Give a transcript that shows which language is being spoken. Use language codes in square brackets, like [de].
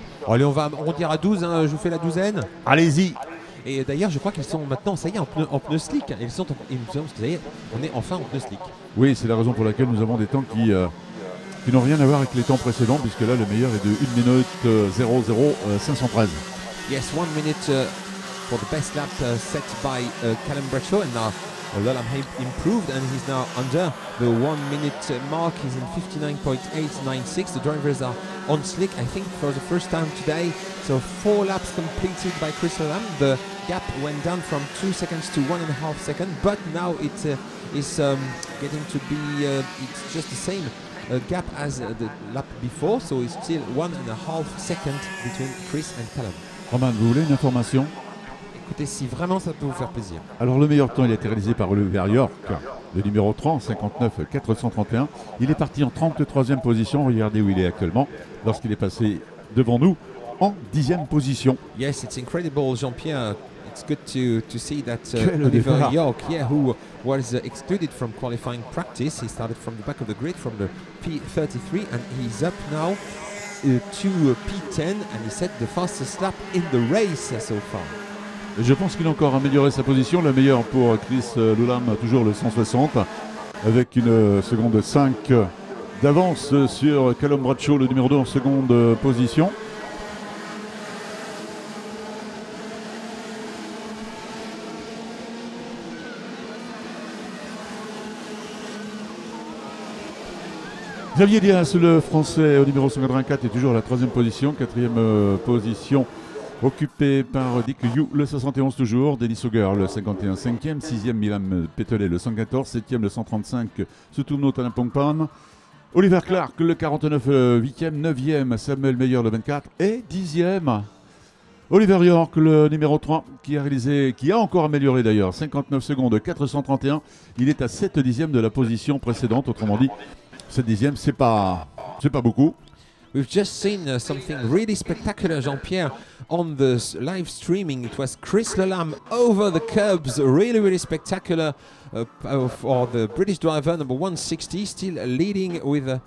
[fr] Allez, on va arrondir à 12, hein, je vous fais la douzaine. Allez-y. Et d'ailleurs, je crois qu'ils sont maintenant, ça y est, en pneu slick. Ils sont, on est enfin en pneu slick. Oui, c'est la raison pour laquelle nous avons des temps qui n'ont rien à voir avec les temps précédents, puisque là, le meilleur est de 1 minute 00513. [en] Yes, 1 minute for the best lap set by Callum Bradshaw. And now, Lalanne improved and he's now under the 1 minute mark. He's in 59.896. The drivers are on slick, I think, for the first time today. So 4 laps completed by Chris Lalanne. The gap went down from 2 seconds to 1.5 seconds, but now it is getting to be, it's just the same gap as the lap before. So it's still 1.5 seconds between Chris and Callum. [fr] Roman, vous voulez une information? Écoutez, si vraiment ça peut vous faire plaisir. Alors le meilleur temps, il a été réalisé par Oliver York, le numéro 3, 59-431. Il est parti en 33e position, regardez où il est actuellement, lorsqu'il est passé devant nous, en 10e position. [en] Yes, it's incredible, Jean-Pierre. It's good to see that Oliver York, yeah, who was excluded from qualifying practice. He started from the back of the grid, from the P33, and he's up now P10 and he set the fastest lap in the race so far. [fr] Je pense qu'il a encore amélioré sa position. Le meilleur pour Chris Lulham, toujours le 160, avec une seconde 5 d'avance sur Callum Bradshaw, le numéro 2 en seconde position. Xavier Diaz, le français au numéro 54, est toujours à la troisième position, quatrième position occupé par Dick Liu, le 71 toujours, Denis Hauger, le 51, 5e, 6e, Milan Petelet, le 114, 7e, le 135, Sutumno Tanapongpan, Oliver Clark, le 49, 8e, 9e, Samuel Meyer, le 24, et 10e, Oliver York, le numéro 3, qui a encore amélioré d'ailleurs, 59 secondes, 431, il est à 7 dixièmes de la position précédente, autrement dit, 7 dixièmes, c'est pas beaucoup. [en] We've just seen something really spectacular, Jean-Pierre, on the live streaming. It was Chris Lulham over the curbs, really, really spectacular for the British driver, number 160, still leading with...